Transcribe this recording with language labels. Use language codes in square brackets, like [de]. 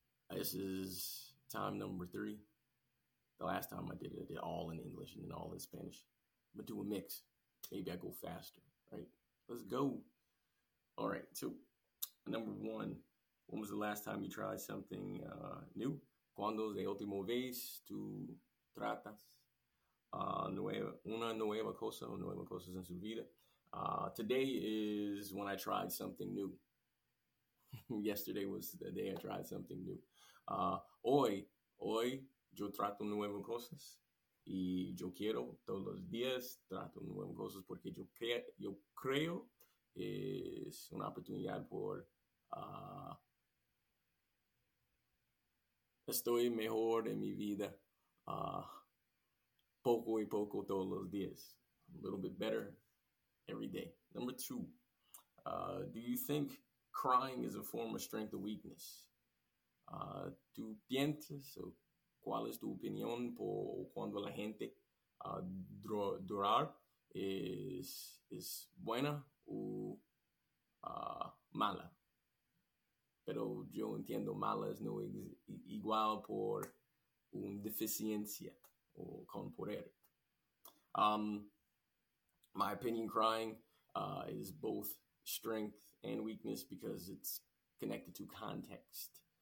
[en] This is time number 3. The last time I did it, I did all in English and then all in Spanish. I'm going to do a mix. Maybe I go faster, right? Let's go. All right, so number 1, when was the last time you tried something new? [es] ¿Cuándo es la última vez tú tratas una nueva cosa en su vida? [en] Today is when I tried something new. Yesterday was the day I tried something new. [es] Hoy yo trato nuevas cosas y yo quiero todos los días trato nuevas cosas porque yo creo es una oportunidad por estoy mejor en mi vida poco y poco todos los días. [en] A little bit better every day. Number 2. Do you think crying is a form of strength or weakness? [es] ¿Tú piensas o cuál es tu opinión por cuando la gente llorar es buena o mala? Pero yo entiendo malas no es igual por una deficiencia o con poder. [en] My opinion, crying is both strength and weakness because it's connected to context.